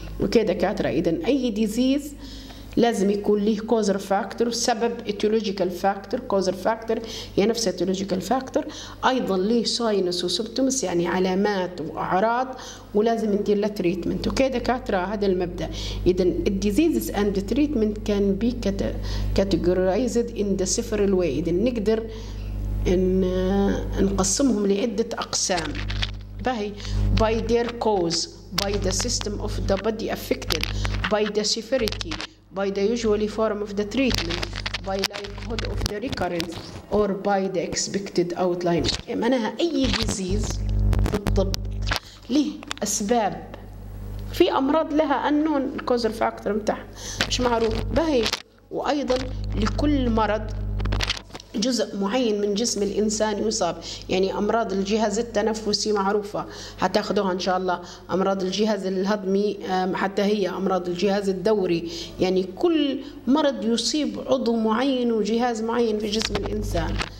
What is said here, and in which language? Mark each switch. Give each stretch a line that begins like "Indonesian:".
Arabic: وكيف دكاترة، إذن أي ديزيز لازم يكون له كوزر فاكتور، سبب إتيولوجيكال فاكتور، كوزر فاكتور هي نفس إتيولوجيكال فاكتور، أيضا له ساينس وسبتومس يعني علامات وأعراض، ولازم ندير له تريتمنت. وكيف دكاترة، هذا المبدأ.
English: إذن الديزيز and the treatment can be categorized in the several way،
Arabic: إذن نقدر إن نقسمهم لعدة أقسام،
English: by their cause, by the system of the body affected, by the severity, by the usual form of the treatment, by likelihood of the recurrence, or by the expected outline.
Arabic: معناها أي ديزيز في الطب له أسباب، في أمراض لها
English: unknown causal factor
Arabic: متاعها مش معروف، باهي. وأيضا لكل مرض جزء معين من جسم الإنسان يصاب، يعني أمراض الجهاز التنفسي معروفة هتاخدوها إن شاء الله، أمراض الجهاز الهضمي حتى هي، أمراض الجهاز الدوري، يعني كل مرض يصيب عضو معين وجهاز معين في جسم الإنسان.